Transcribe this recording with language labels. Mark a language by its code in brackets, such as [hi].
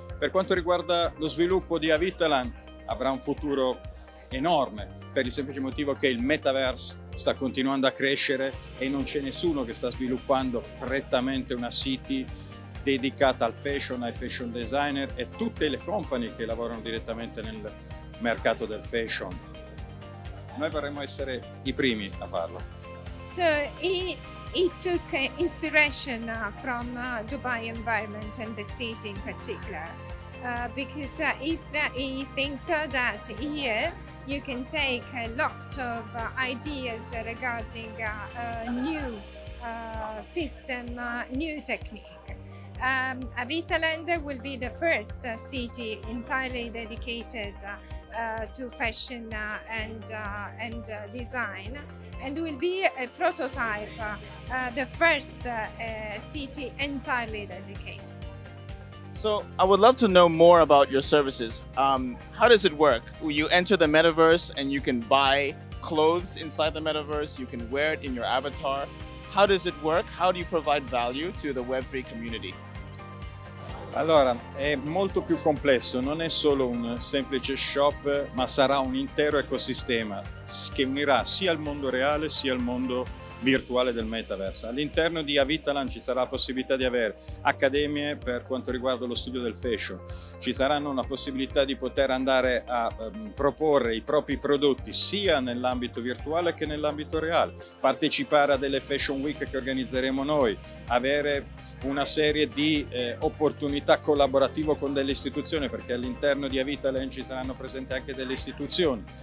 [it] Per quanto riguarda lo sviluppo di Avitaland, avrà un futuro enorme per il semplice motivo che il metaverse sta continuando a crescere e non c'è nessuno che sta sviluppando prettamente una city dedicata al fashion, ai fashion designer e tutte le company che lavorano direttamente nel mercato del fashion. Noi vorremmo essere i primi a farlo. [en] So, he took inspiration from Dubai environment and the city in particular, because he thinks that here you can take a lot of ideas regarding new system, new technique. Avitaland will be the first city entirely dedicated to fashion and design, and will be a prototype, the first city entirely dedicated. So I would love to know more about your services. How does it work? You enter the metaverse and you can buy clothes inside the metaverse, you can wear it in your avatar. How does it work? How do you provide value to the Web3 community? [it] Allora, è molto più complesso, non è solo un semplice shop, ma sarà un intero ecosistema che unirà sia il mondo reale sia il mondo virtuale del metaverse. All'interno di Avitaland ci sarà la possibilità di avere accademie per quanto riguarda lo studio del fashion, ci saranno la possibilità di poter andare a proporre i propri prodotti sia nell'ambito virtuale che nell'ambito reale, partecipare a delle fashion week che organizzeremo noi, avere una serie di opportunità collaborative con delle istituzioni, perché all'interno di Avitaland ci saranno presenti anche delle istituzioni,